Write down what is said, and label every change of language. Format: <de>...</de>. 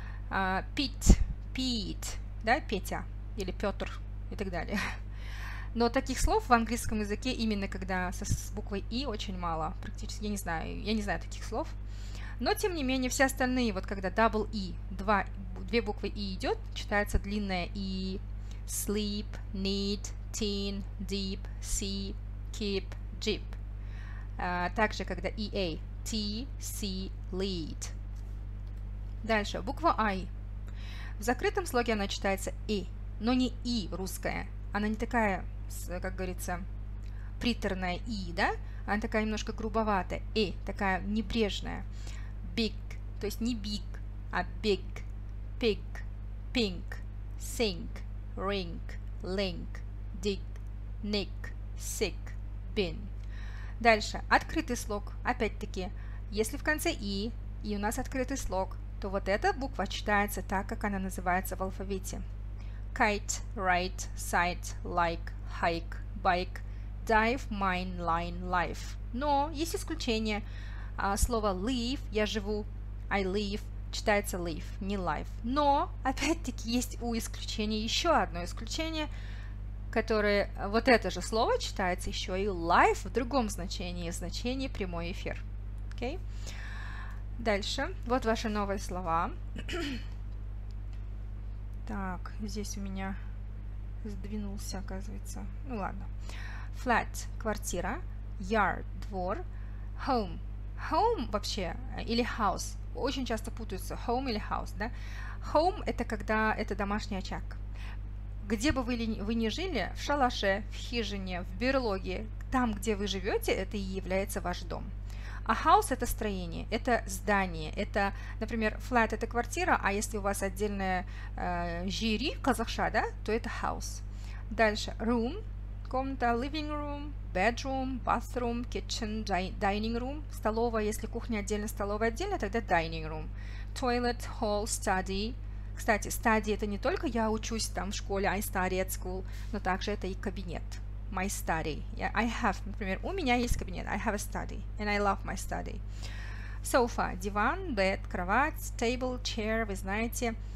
<ru>Pete, да, Петя, или Петр, и так далее. Но таких слов в английском языке, именно когда с буквой И, очень мало. Практически, я не знаю таких слов. Но, тем не менее, все остальные, вот когда double E, две буквы И идет, читается длинное И.</ru> <en>Sleep, need, teen, deep, see, keep, jeep.</en> <ru>Также, когда EA, T, C, lead. Дальше, буква I. В закрытом слоге она читается И, но не И русская. Она не такая, как говорится, приторная И, да? Она такая немножко грубоватая, И, такая небрежная. Big, то есть не big, а big.</ru> <en>Pig, pink, sink, ring, link, dig, nick, sick, bin.</en> <ru>Дальше, открытый слог. Опять-таки, если в конце И, и у нас открытый слог, то вот эта буква читается так, как она называется в алфавите.</ru> <en>Kite, right, sight, like, hike, bike, dive, mine, line, life.</en> <ru>Но есть исключение. Слово live, я живу,</ru> <en>I live,</en> <ru>читается live, не life. Но, опять-таки, есть у исключения еще одно исключение, которое вот это же слово читается еще и life в другом значении, значении прямой эфир. Окей? Дальше. Вот ваши новые слова. Так, здесь у меня сдвинулся, оказывается. Ну ладно. Flat – квартира. Yard – двор.</ru> <en>Home – home</en> <ru>вообще, или</ru> <en>house.</en> <ru>Очень часто путаются home или house, да? Home – это когда это домашний очаг. Где бы вы ни жили, в шалаше, в хижине, в берлоге, там, где вы живете, это и является ваш дом. А house – это строение, это здание, это, например, flat – это квартира, а если у вас отдельная жири, казахша, да, то это house. Дальше room – комната,</ru> <en>living room, bedroom, bathroom, kitchen, dining room,</en> <ru>столовая, если кухня отдельно, столовая отдельно, тогда dining room.</ru> <en>Toilet, hall, study.</en> <ru>Кстати, study – это не только я учусь там в школе,</ru> <en>I study at school,</en> <ru>но также это и кабинет.</ru> <en>My study. I have,</en> <ru>например, у меня есть кабинет.</ru> <en>I have a study. And I love my study.</en> <ru>Sofa – диван,</ru> <en>bed,</en> <ru>кровать,</ru> <en>table, chair,</en> <ru>вы знаете.</ru>